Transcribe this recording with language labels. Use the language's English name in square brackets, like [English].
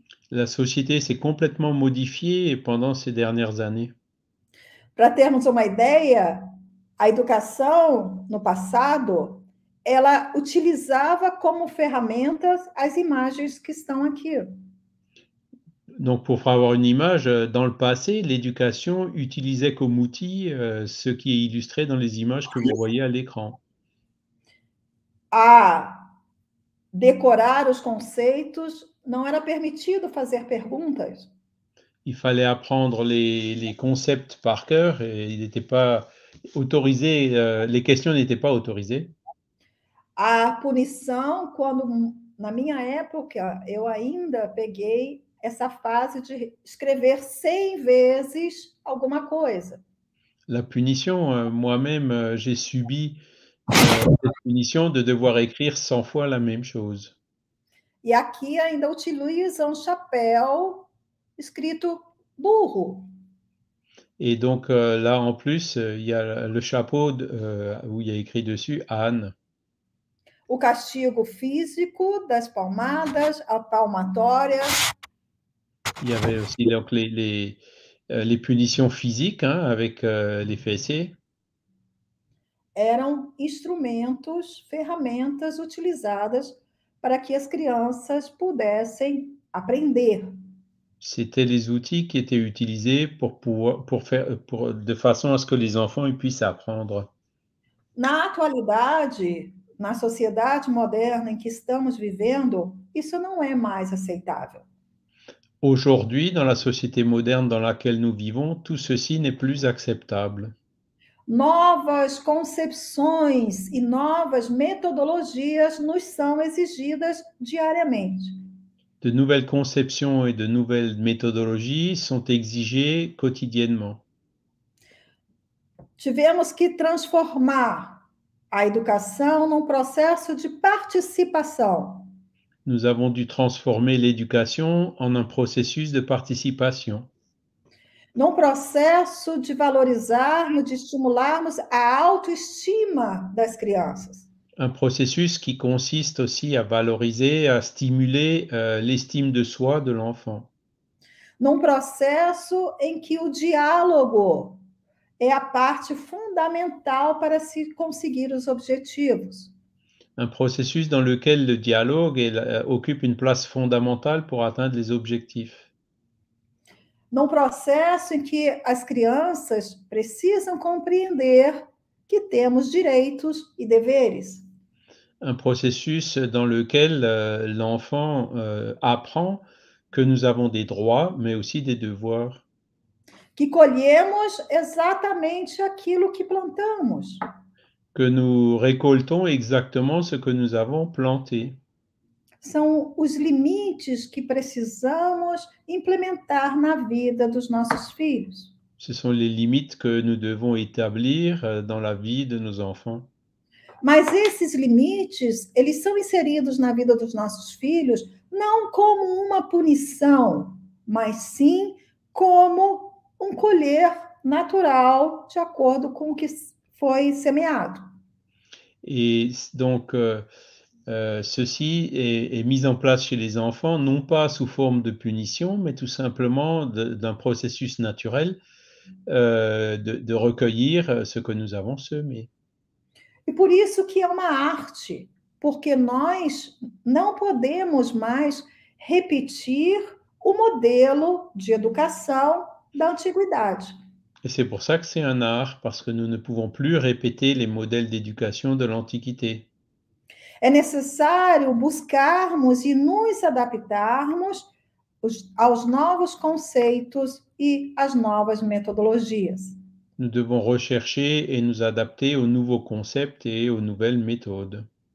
[French] La société s'est complètement modifiée pendant ces dernières années. [Portuguese] Para termos uma ideia, a educação no passado, ela utilizava como ferramentas as imagens que estão aqui. [French] Donc, pour avoir une image, dans le passé, l'éducation utilisait comme outil ce qui est illustré dans les images que vous voyez à l'écran. [Portuguese] À decorar os conceitos, não era permitido fazer perguntas. [French] Il fallait apprendre les concepts par cœur et il n'était pas autorisé, les questions n'étaient pas autorisées. [Portuguese] A punição, quando, na minha época, eu ainda peguei essa fase de escrever 100 vezes alguma coisa. [French] La punition, moi-même, j'ai subi la punition de devoir écrire 100 fois la même chose. [Portuguese] E aqui ainda utilizam chapéu escrito burro. [French] Et donc là, en plus, il y a le chapeau où il y a écrit dessus Anne. [Portuguese] O castigo físico das palmadas, a palmatória. [French] Il y avait aussi donc, les punitions physiques hein, avec les fessées. [Portuguese] Eram instrumentos, ferramentas utilizadas para que as crianças pudessem aprender. [French] C'était les outils qui étaient utilisés pour de façon à ce que les enfants puissent apprendre. [Portuguese] Na atualidade, na sociedade moderna em que estamos vivendo, isso não é mais aceitável. [French] Aujourd'hui, dans la société moderne dans laquelle nous vivons, tout ceci n'est plus acceptable. [Portuguese] Novas concepções e novas metodologias nos são exigidas diariamente. [French] De nouvelles conceptions et de nouvelles méthodologies sont exigées quotidiennement. [Portuguese] Tivemos que transformar a educação num processo de participação. [French] Nous avons dû transformer l'éducation en un processus de participation. [Portuguese] num processo de valorizarmos, de estimularmos a autoestima das crianças. [French] Un processus qui consiste aussi à valoriser, à stimuler l'estime de soi de l'enfant. [Portuguese] Num processo em que o diálogo é a parte fundamental para se conseguir os objetivos. [French] Un processus dans lequel le dialogue occupe une place fondamentale pour atteindre les objectifs. [Portuguese] Num processo em que as crianças precisam compreender que temos direitos e deveres. [French] Un processus dans lequel l'enfant apprend que nous avons des droits, mais aussi des devoirs. [Portuguese] Que colhemos exatamente aquilo que plantamos. [French] Que nous récoltons exactement ce que nous avons planté. [Portuguese] São os limites que precisamos implementar na vida dos nossos filhos. [French] Ce sont les limites que nous devons établir dans la vie de nos enfants. [Portuguese] Mas esses limites, eles são inseridos na vida dos nossos filhos não como uma punição, mas sim como um colher natural de acordo com o que foi semeado. [French] Et donc, ceci est mis en place chez les enfants, non pas sous forme de punition, mais tout simplement d'un processus naturel de recueillir ce que nous avons semé. [Portuguese] E por isso que é uma arte, porque nós não podemos mais repetir o modelo de educação da antiguidade. [French] Et c'est pour ça que c'est un art, parce que nous ne pouvons plus répéter les modèles d'éducation de l'Antiquité. [Portuguese] É necessário buscarmos e nos adaptarmos aos novos conceitos e às novas metodologias. [French] Nous devons rechercher et nous adapter aux nouveaux concepts et aux nouvelles méthodes.